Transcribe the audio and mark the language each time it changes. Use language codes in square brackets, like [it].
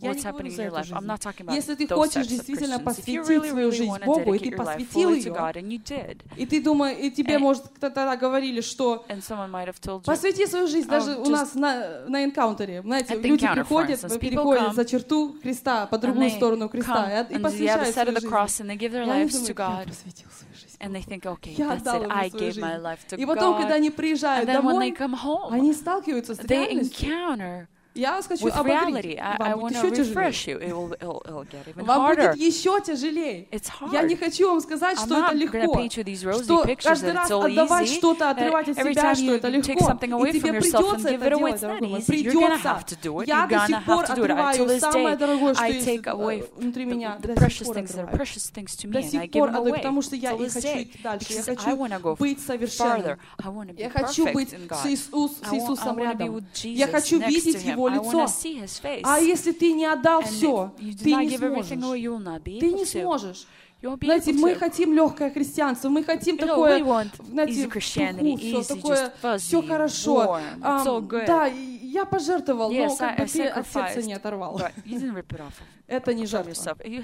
[ru] Я не говорю за эту жизнь. Если ты хочешь действительно посвятить свою жизнь Богу, и ты посвятил ее, и ты думаешь, и тебе, может, тогда говорили, что посвяти свою жизнь, даже у нас на энкаунтере, знаете, люди приходят, переходят за черту креста, по другую сторону креста, и посвящают свою жизнь. [en] Give their lives to God. And they think, okay, that's it, I gave my life to God. And then when they come home, they encounter with reality. I want to refresh you. It'll get even harder. It's hard. I'm not going to paint you these rosy pictures that it's so easy, that every time you take something away from yourself and give it away, it's not easy. You're going to have to do it. You're going to have to do it. Until this day, I take away the precious things that are precious things to me, and I give them away. Until this day, because I want to go further. I want to be perfect in God. I want to be with Jesus next to Him. [ru] Его лицо. А если ты не отдал все, ты не сможешь. Ты не сможешь. Знаете, мы хотим легкое христианство, мы хотим такое, знаете, такое, все хорошо. Да, я пожертвовал, но как бы ты от сердца не оторвал. Это не жертва.